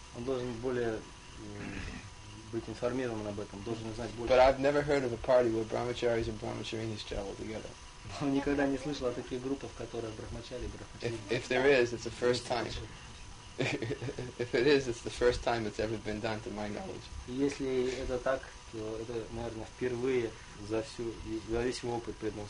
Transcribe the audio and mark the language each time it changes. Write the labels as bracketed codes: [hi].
[ru] Он должен более быть информирован об этом, должен знать больше. [en] But I've never heard of a party where brahmacharis and brahmacharinis travel together. [ru] Он никогда не слышал о таких группах, которые брахмачари и брахмачарини. [en] If there is, it's the first time. If it is, it's the first time it's ever been done, to my knowledge. [ru] Если это так, то это, наверное, впервые за весь мой опыт преданного